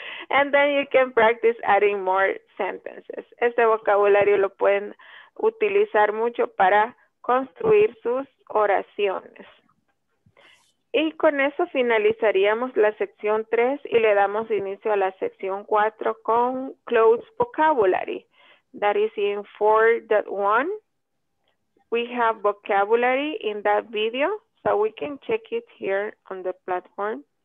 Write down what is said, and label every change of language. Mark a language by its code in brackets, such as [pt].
[en] And then you can practice adding more sentences. [es] Este vocabulario lo pueden utilizar mucho para construir sus oraciones. Y con eso finalizaríamos la sección 3 y le damos inicio a la sección 4 con closed vocabulary. [en] That is in 4.1. We have vocabulary in that video, so we can check it here on the platform.